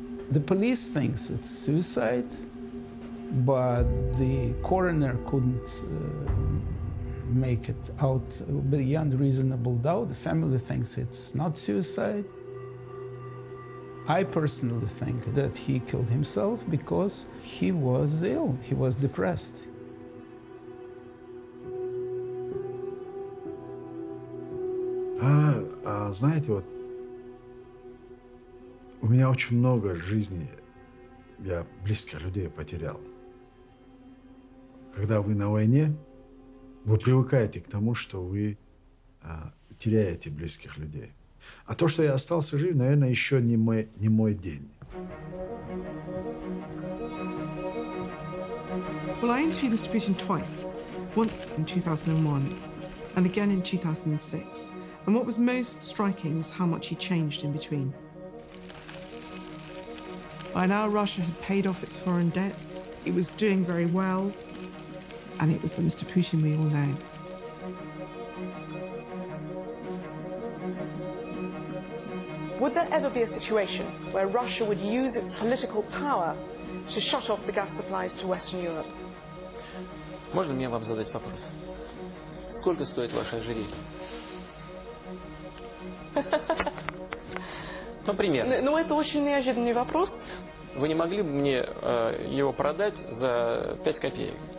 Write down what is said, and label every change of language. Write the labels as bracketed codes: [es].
[en] The police thinks it's suicide, but the coroner couldn't make it out beyond reasonable doubt. The family thinks it's not suicide. I personally think that he killed himself because he was ill, he was depressed. [ru] А знаете, вот у меня очень много жизни, я близких людей потерял. Когда вы на войне, вы привыкаете к тому, что вы теряете близких людей. А то, что я остался жив, наверное, еще не мой день. [en] Well, I interviewed Mr. Putin twice. Once in 2001 and again in 2006. And what was most striking was how much he changed in between. By now, Russia had paid off its foreign debts. It was doing very well. And it was the Mr. Putin we all know. Would there ever be a situation where Russia would use its political power to shut off the gas supplies to Western Europe? [ru] Можно мне вам задать вопрос? Сколько стоит ваше ожерелье? Ну, примерно. Ну, это очень неожиданный вопрос. Вы не могли бы мне его продать за 5 копеек?